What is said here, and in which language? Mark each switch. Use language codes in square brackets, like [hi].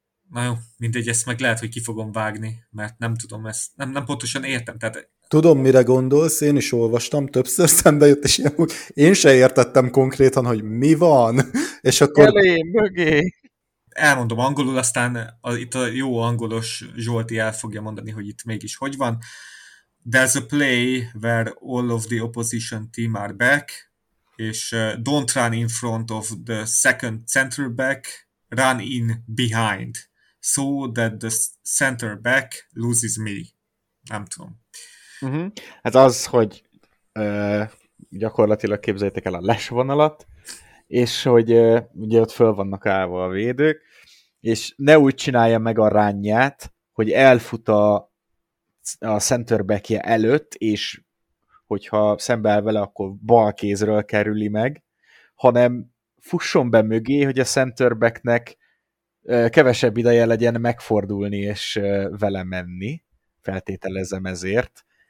[hu] Na jó, mindegy, ezt meg lehet, hogy ki fogom vágni, mert nem tudom ezt, nem pontosan értem. Tehát... Tudom, mire gondolsz, én is olvastam, többször szembe jött, és én se értettem konkrétan, hogy mi van, és akkor... Elé, mögé! Elmondom angolul, aztán itt a jó angolos Zsolti el fogja mondani, hogy itt mégis hogy van. [en] There's a play where all of the opposition team are back, és don't run in front of the second center back, run in behind, so that the center back loses me. [hu] Nem tudom. Uh-huh. Hát az, hogy gyakorlatilag képzeljétek el a lesvonalat, és hogy ugye ott föl vannak állva a védők, és ne úgy csinálja meg a ránját, hogy elfut a center backje előtt, és hogyha szembe áll vele, akkor bal kézről kerüli meg, hanem fusson be mögé, hogy a center backnek kevesebb ideje legyen megfordulni és vele menni, feltételezem ezért.